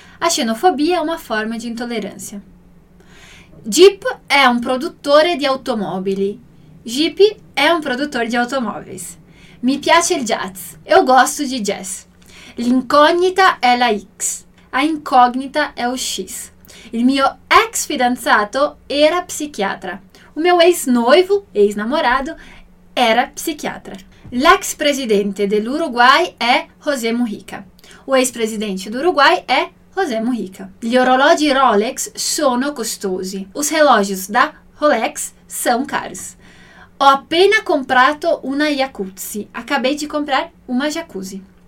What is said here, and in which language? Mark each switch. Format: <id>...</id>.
<it>La xenofobia è una forma di intolleranza. Jeep è un produttore di automobili. Jeep è un produttore di automobili. Mi piace il jazz. Io gosto di jazz. L'incognita è la X. La incognita è lo X. Il mio ex fidanzato era psichiatra.</it> <pt>O meu ex-noivo, ex-namorado, era psichiatra.</pt> <it>L'ex presidente dell'Uruguay è José Mujica. O ex-presidente dell'Uruguay è José Mujica. Gli orologi Rolex sono costosi.</it> <pt>Os relógios da Rolex são caros.</pt> <it>Ho appena comprato una jacuzzi.</it> <pt>Acabei de comprar uma jacuzzi.</pt>